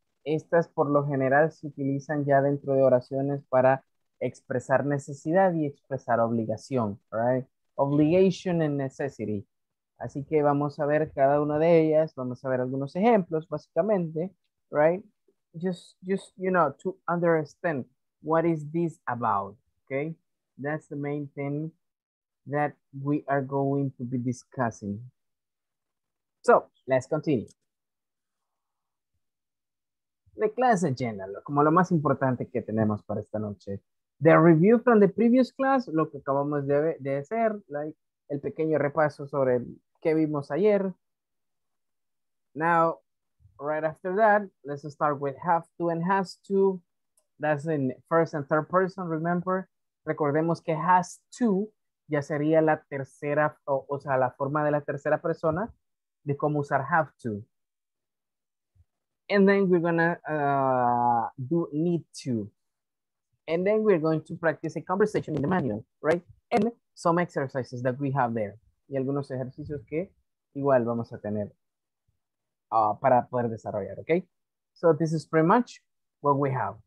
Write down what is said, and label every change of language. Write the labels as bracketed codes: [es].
[es] Estas por lo general se utilizan ya dentro de oraciones para expresar necesidad y expresar obligación, right? [en] Obligation and necessity. [es] Así que vamos a ver cada una de ellas, vamos a ver algunos ejemplos básicamente, right? [en] Just, you know, to understand what is this about, okay? That's the main thing that we are going to be discussing. So, let's continue. The class agenda, [es] como lo más importante que tenemos para esta noche. [en] The review from the previous class, [es] lo que acabamos de hacer, like el pequeño repaso sobre qué vimos ayer. [en] Now, right after that, let's start with have to and has to. That's in first and third person, remember. [es] Recordemos que has to ya sería la tercera, o sea, la forma de la tercera persona de cómo usar have to. [en] And then we're gonna do need to. And then we're going to practice a conversation in the manual, right? And some exercises that we have there. [es] Y algunos ejercicios que igual vamos a tener para poder desarrollar, okay? [en] So this is pretty much what we have.